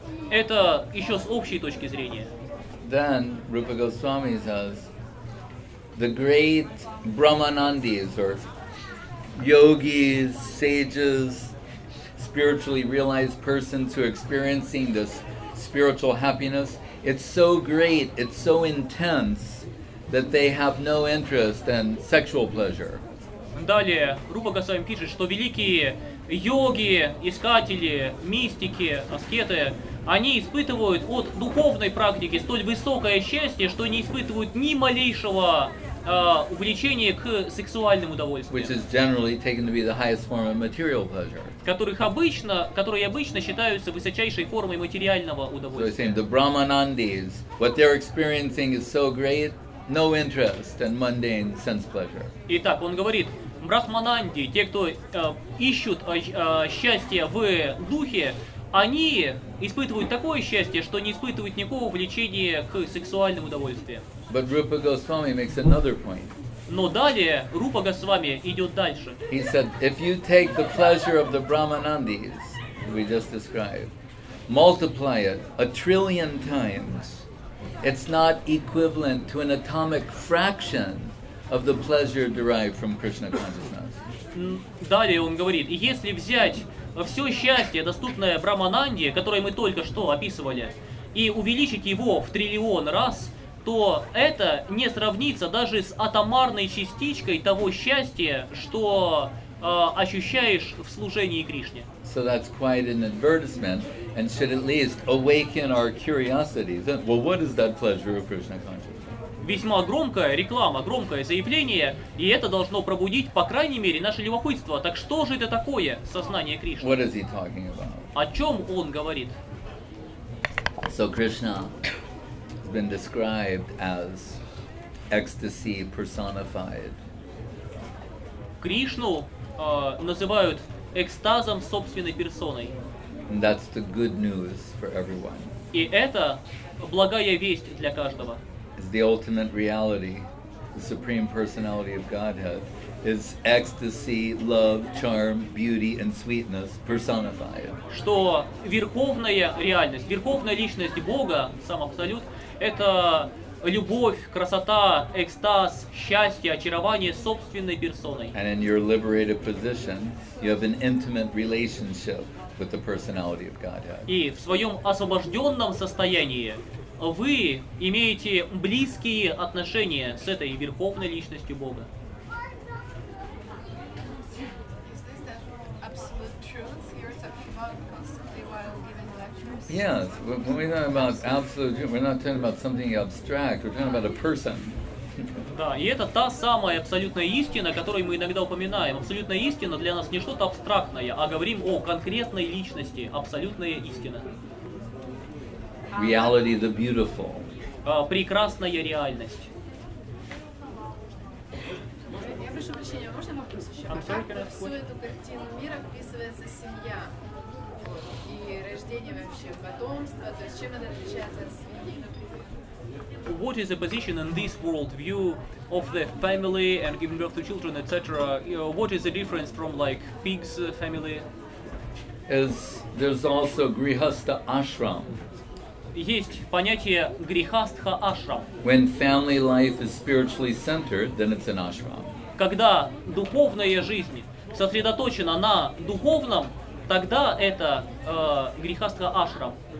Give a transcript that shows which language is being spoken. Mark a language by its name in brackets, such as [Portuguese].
[Russian] Это еще с общей точки зрения. [English] Then Rupa Goswami says, the great Brahmanandis, or yogis, sages, spiritually realized persons who are experiencing this spiritual happiness, it's so great, it's so intense, that they have no interest in sexual pleasure. [Russian] Далее Рупа Госвами пишет, что великие йоги, искатели, мистики, аскеты, они испытывают от духовной практики столь высокое счастье, что не испытывают ни малейшего увлечения к сексуальным удовольствиям, которые обычно считаются высочайшей формой материального удовольствия. [English] So saying, the Brahmanandis, what they're experiencing is so great, no interest in mundane sense pleasure. [Russian] Итак, он говорит, брахмананди, те, кто ищут счастье в духе, они испытывают такое счастье, что не испытывают никакого влечения к сексуальным удовольствиям. [English] But Rupa Goswami makes another point. [Russian] Но далее Рупа Госвами идет дальше. [English] He said, if you take the pleasure of the Brahmanandis we just described, multiply it a trillion times, it's not equivalent to an atomic fraction of the pleasure derived from Krishna consciousness. [Russian] Далее он говорит, если взять все счастье, доступное Брахмананде, которое мы только что описывали, и увеличить его в триллион раз, то это не сравнится даже с атомарной частичкой того счастья, что ощущаешь в служении Кришне. [English] So that's quite an advertisement and should at least awaken our curiosity. Then, well, what is that pleasure of Krishna consciousness? [Russian] Весьма громкая реклама, громкое заявление, и это должно пробудить, по крайней мере, наше любопытство. Так что же это такое, сознание Кришны? [English] What is he talking about? [Russian] О чем он говорит? [English] So Krishna has been described as ecstasy personified. [Russian] Кришну называют экстазом собственной персоной. [English] And that's the good news for everyone. [Russian] И это благая весть для каждого. [English] Is the ultimate reality, the Supreme Personality of Godhead, is ecstasy, love, charm, beauty, and sweetness personified. [Russian] Что верховная реальность, верховная личность Бога, сам Абсолют, это любовь, красота, экстаз, счастье, очарование собственной персоной. [English] And in your liberated position, you have an intimate relationship with the Personality of Godhead. [Russian] И в своем освобожденном состоянии вы имеете близкие отношения с этой верховной личностью Бога? [English] Yes, when we talk about absolute truth, we're not talking about something abstract, we're talking about a person. [Russian] Да, и это та самая абсолютная истина, которую мы иногда упоминаем. Абсолютная истина для нас не что-то абстрактное, а говорим о конкретной личности, абсолютная истина. [English] Reality the beautiful. [Russian] Прекрасная реальность. Я прошу прощения, можно вопрос еще? А как в всю эту картину мира вписывается семья? И рождение вообще, потомство, то есть чем это отличается от семьи? [English] What is the position in this world view of the family and giving birth to children, etc.? You know, what is the difference from like pig's family? Is there's also grihastha ashram. [Russian] Есть понятие грихастха ашрам. [English] When family life is spiritually centered, then it's an ashram. [Russian] Когда духовная жизнь сосредоточена на духовном, тогда это грихастха ашрам.